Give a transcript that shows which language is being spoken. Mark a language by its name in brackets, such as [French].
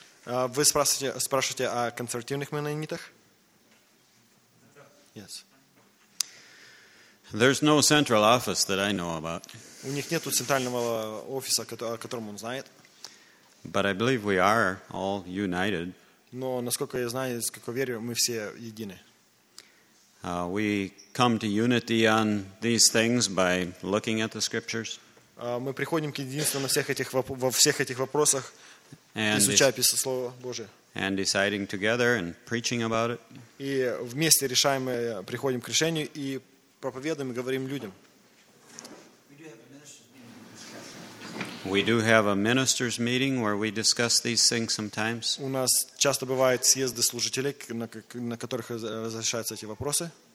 [Russian] Вы спрашиваете о консервативных меннонитах? [English] Yes. There's no central office that I know about. [Russian] У них нету центрального офиса, о котором он знает. [English] But I believe we are all united. [Russian] Но насколько я знаю, с какой верю, мы все едины. [English] We come to unity on these things by looking at the scriptures. [Russian] Мы приходим к единству на всех этих вопросах. And изучая Писание Слово Божие. [English] And deciding together and preaching about it. [Russian] И вместе решаем, приходим к решению и проповедуем и говорим людям. [English] We do have a ministers meeting where we discuss these things sometimes. [Russian] У нас часто бывают съезды служителей, на которых разрешаются эти вопросы.